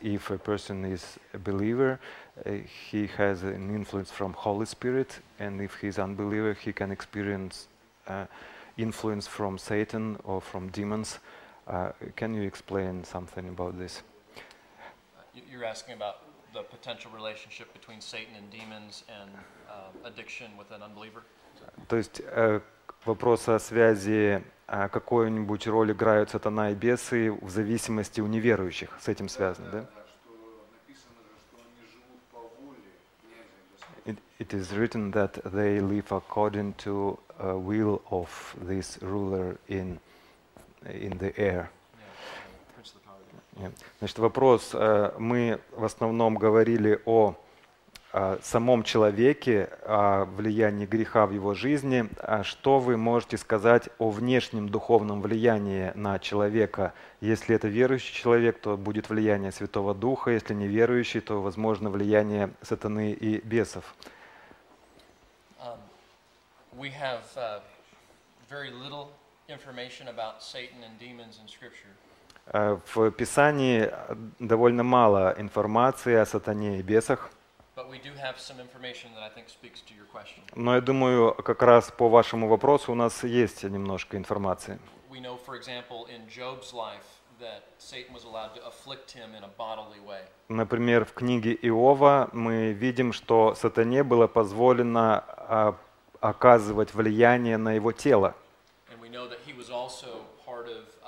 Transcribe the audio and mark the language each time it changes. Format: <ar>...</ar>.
<en>If a person is a believer, he has an influence from Holy Spirit, and if he's unbeliever, he can experience influence from Satan or from demons. Can you explain something about this? You're asking about the potential relationship between Satan and demons and addiction with an unbeliever?</en> <ru>То есть вопрос о связи, какую-нибудь роль играют сатана и бесы в зависимости у неверующих, с этим связано, да?</ru> <en>It is written that they live according to a will of this ruler in the air.</en> <ru>Значит, вопрос, мы в основном говорили о самом человеке, о влиянии греха в его жизни. А что вы можете сказать о внешнем духовном влиянии на человека? Если это верующий человек, то будет влияние Святого Духа, если неверующий, то возможно влияние сатаны и бесов.</ru> <en>We have very little information about Satan and demons in Scripture.</en> <ru>В Писании довольно мало информации о сатане и бесах.</ru> <en>But we do have some information that I think speaks to your question.</en> <ru>Но я думаю, как раз по вашему вопросу у нас есть немножко информации.</ru> <en>We know, for example, in Job's life that Satan was allowed to afflict him in a bodily way.</en> <ru>Например, в книге Иова мы видим, что сатане было позволено оказывать влияние на его тело.</ru> <en>And we know that he was also part of</en>